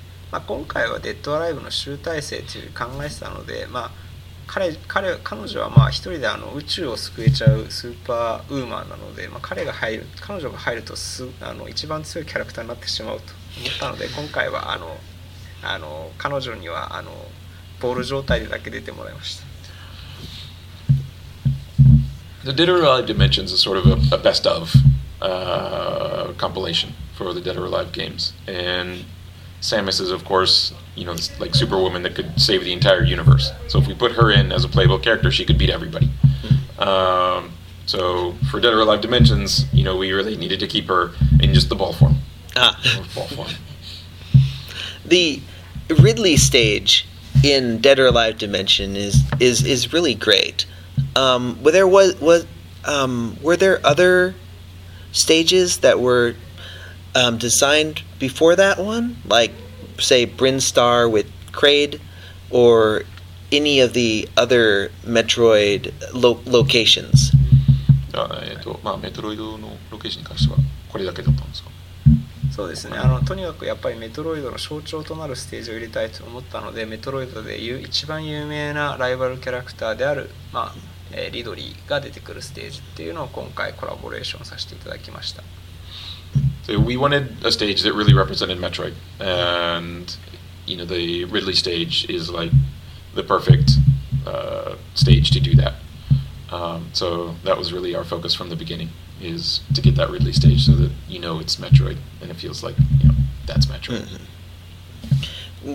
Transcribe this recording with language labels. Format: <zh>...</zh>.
<ja>まあ、今回はデッドアライブの集大成という考えてたので、まあ、彼女はまあ一人であの宇宙を救えちゃうスーパーウーマンなので、まあ、彼女が入るとあの一番強いキャラクターになってしまうと思ったので、今回はあの彼女にはあのボール状態でだけ出てもらいました。</ja> <en>The Dead or Alive Dimensions is sort of a best of compilation for the Dead or Alive games. AndSamus is, of course, you know, like Superwoman that could save the entire universe. So if we put her in as a playable character, she could beat everybody. So for Dead or Alive Dimensions, you know, we really needed to keep her in just the ball form. Ah. Ball form. The Ridley stage in Dead or Alive Dimension is really great. Were there other stages that were... designed before that one, like say Brinstar with Kraid, or any of the other Metroid locations?</en> <ja>まあ、メトロイドのロケーションに関してはこれだけだったんですか？そうですね、あのとにかくやっぱりメトロイドの象徴となるステージを入れたいと思ったので、メトロイドで一番有名なライバルキャラクターである、まあ、リドリーが出てくるステージっていうのを今回コラボレーションさせていただきました。</ja> <en>So we wanted a stage that really represented Metroid, and you know, the Ridley stage is like the perfect、stage to do that.、so that was really our focus from the beginning, is to get that Ridley stage so that you know it's Metroid and it feels like, you know, that's Metroid.、Mm-hmm.</en>